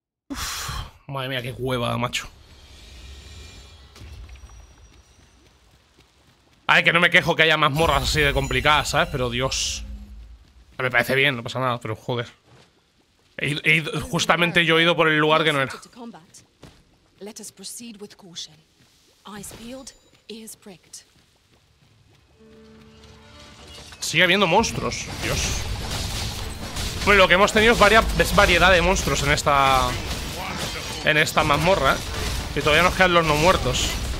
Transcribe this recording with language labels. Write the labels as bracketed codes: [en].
[es] Uf, madre mía, qué hueva, macho. Ay, que no me quejo que haya mazmorras así de complicadas, ¿sabes? Pero Dios. Me parece bien, no pasa nada, pero joder. Justamente yo he ido por el lugar que no era. [en] Let us proceed with caution. Eyes peeled, ears pricked. [es] Sigue habiendo monstruos, Dios. Bueno, lo que hemos tenido es variedad de monstruos en esta. En esta mazmorra, ¿eh? Y todavía nos quedan los no muertos.